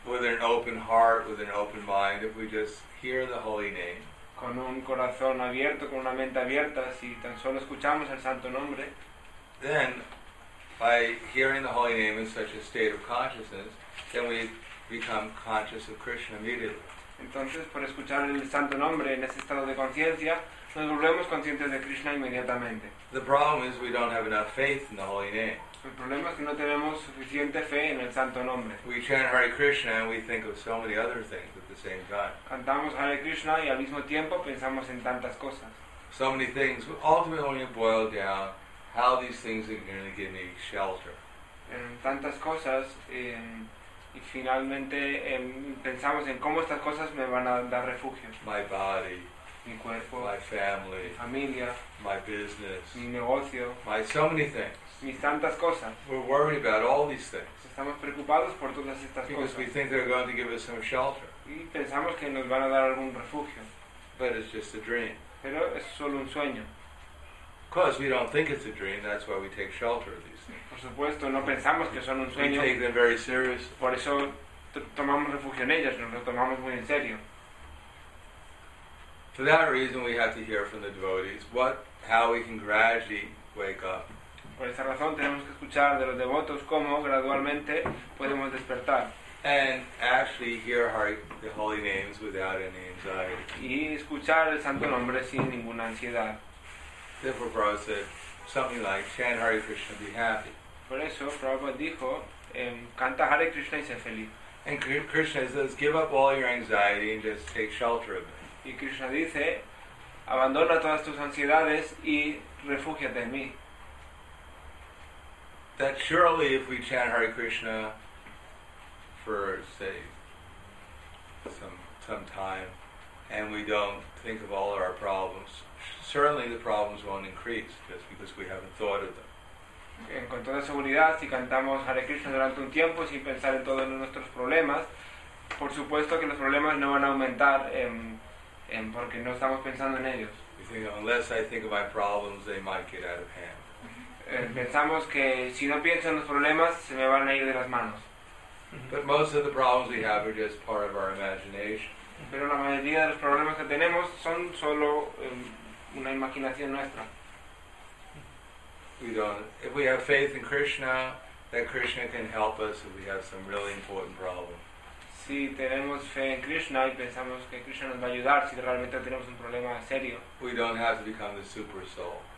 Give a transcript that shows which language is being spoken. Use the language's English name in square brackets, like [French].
[English] With an open heart, with an open mind, if we just hear the holy name. [Spanish] Con un corazón abierto, con una mente abierta, si tan solo escuchamos el santo nombre. [English] Then, by hearing the holy name in such a state of consciousness, then we become conscious of Krishna immediately. [Spanish] Entonces, por escuchar el santo nombre en ese estado de conciencia, nos volvemos conscientes de Krishna inmediatamente. [English] The problem is we don't have enough faith in the holy name. [Spanish] El problema es que no tenemos suficiente fe en el santo nombre. [English] We chant Hare Krishna and we think of so many other things at the same time. [Spanish] Cantamos Hare Krishna y al mismo tiempo pensamos en tantas cosas. [English] So many things. Ultimately, when you boil down, how these things are going to give me shelter. [Spanish] En tantas cosas. Y finalmente pensamos en cómo estas cosas me van a dar refugio. [English] My body, [Spanish] mi cuerpo, [English] my family, [Spanish] mi familia, [English] my business, [Spanish] mi negocio, [English] my so many things. [Spanish] Mis tantas cosas. [English] We're worried about all these things. [Spanish] Estamos preocupados por todas estas [English] because [Spanish] cosas. [English] Because we think they're going to give us some shelter. [Spanish] Y pensamos que nos van a dar algún refugio. [English] But it's just a dream. [Spanish] Pero es solo un sueño. [English] Because we don't think it's a dream, that's why we take shelter of these things. [Spanish] Por supuesto, no pensamos que son un sueño. [English] We take them very seriously. [Spanish] Por eso tomamos refugio en ellas, nos lo tomamos muy en serio. [English] For that reason, we have to hear from the devotees how we can gradually wake up. [Spanish] Por esa razón, tenemos que escuchar de los devotos cómo gradualmente podemos despertar. [English] And actually hear the holy names without any anxiety. [Spanish] Y escuchar el santo nombre sin ninguna ansiedad. [English] Therefore, Prabhupada said something like, chant Hare Krishna, be happy. [Spanish] Por eso, Prabhupada dijo, canta Hare Krishna y sé feliz. [English] And Krishna says, give up all your anxiety and just take shelter of me. [Spanish] Y Krishna dice, abandona todas tus ansiedades y refúgiate en mí. [English] That surely if we chant Hare Krishna for, say, some time, and we don't think of all our problems, certainly the problems won't increase just because we haven't thought of them. [Spanish] Con toda seguridad, si cantamos Hare Krishna durante un tiempo sin pensar en todos nuestros problemas, por supuesto que los problemas no van a aumentar porque no estamos pensando en ellos. [English] We think, unless I think of my problems, they might get out of hand. [Spanish] Pensamos que si no pienso en los problemas, se me van a ir de las manos. [English] But most of the problems we have are just part of our imagination. [Spanish] Pero la mayoría de los problemas que tenemos son solo una imaginación nuestra. [English] If we have faith in Krishna, that Krishna can help us if we have some really important problem. [Spanish] Si tenemos fe en Krishna y pensamos que Krishna nos va a ayudar si realmente tenemos un problema serio. [English] We don't have to become the super soul.